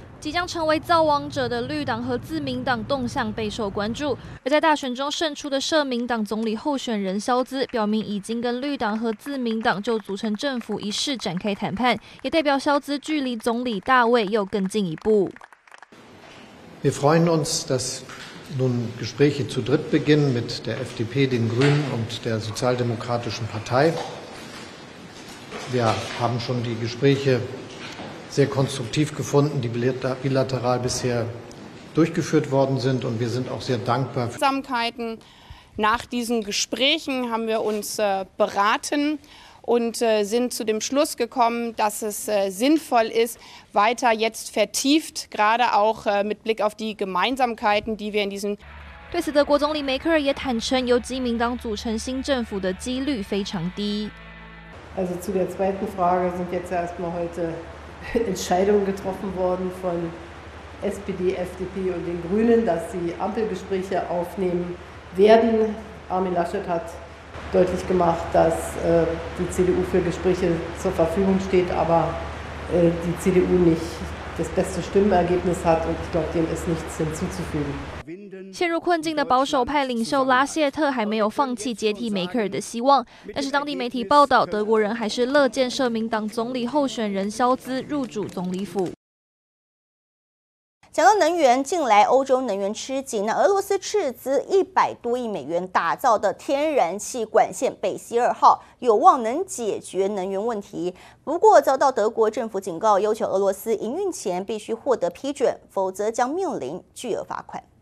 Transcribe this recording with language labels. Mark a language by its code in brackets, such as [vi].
[zh] 即将成为造王者的绿党和自民党动向备受关注，而在大选中胜出的社民党总理候选人肖兹表明已经跟绿党和自民党就组成政府一事展开谈判，也代表肖兹距离总理大卫又更进一步。 [de] Wir freuen uns, dass nun Gespräche zu dritt beginnen mit der FDP, den Grünen und der Sozialdemokratischen Partei. Wir haben schon die Gespräche sehr konstruktiv gefunden, die bilateral bisher durchgeführt worden sind. Und wir sind auch sehr dankbar. Zusammenkeiten. Nach diesen Gesprächen haben wir uns beraten und sind zu dem Schluss gekommen, dass es sinnvoll ist, weiter jetzt vertieft, gerade auch mit Blick auf die Gemeinsamkeiten, die wir in diesen... [zh] 对此，德国总理梅克尔也坦承，由基民党组成新政府的几率非常低。 [de] Also zu der zweiten Frage sind jetzt erstmal heuteEntscheidungen getroffen worden von SPD, FDP und den Grünen, dass sie Ampelgespräche aufnehmen werden. Armin Laschet hat deutlich gemacht, dass die CDU für Gespräche zur Verfügung steht, aber die CDU nicht das beste Stimmenergebnis hat und ich glaube, dem ist nichts hinzuzufügen. [zh] 陷入困境的保守派领袖拉谢特还没有放弃接替梅克尔的希望，但是当地媒体报道，德国人还是乐见社民党总理候选人肖兹入主总理府。讲到能源，近来欧洲能源吃紧，那俄罗斯斥资100多亿美元打造的天然气管线北溪二号有望能解决能源问题，不过遭到德国政府警告，要求俄罗斯营运前必须获得批准，否则将面临巨额罚款。